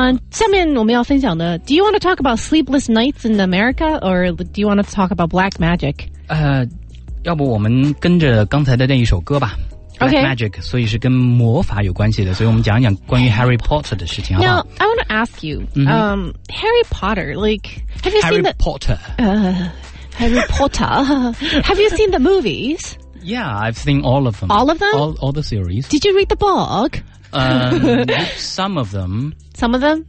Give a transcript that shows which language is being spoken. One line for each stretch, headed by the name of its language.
Chinese: 下面我们要分享的,
English: do you want to talk about sleepless nights in America, or do you want to talk about black magic?
Chinese: 要不我们跟着刚才的那一首歌吧。
English: Okay. Black magic,
Chinese: 所以是跟魔法有关系的，所以我们讲一讲关于 Harry Potter 的事情，好不好？
English: Now, I want to ask you, Harry Potter, like, have you seen the... Harry Potter. Have you seen the movies? Yeah, I've seen all of them. All of them? All the series. Did you read the book? some of them. Some of them?